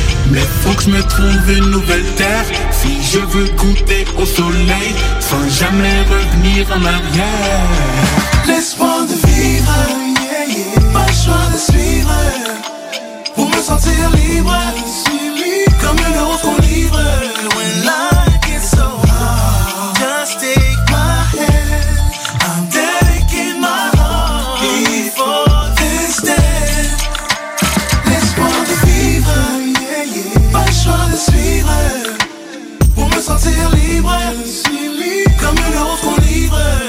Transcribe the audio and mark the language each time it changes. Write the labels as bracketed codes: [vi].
[fr] Mais faut que je me trouve une nouvelle terre si je veux goûter au soleil sans jamais revenir en arrière. L'espoir de vivre, pas le choix de suivre pour me sentir libre, comme une rose qu'on livre. [en] When life is so hard, just take my hand, I'm dedicating my heart before this day. [fr] L'espoir de vivre, pas le choix de suivre pour me sentir libre, comme une rose qu'on livre.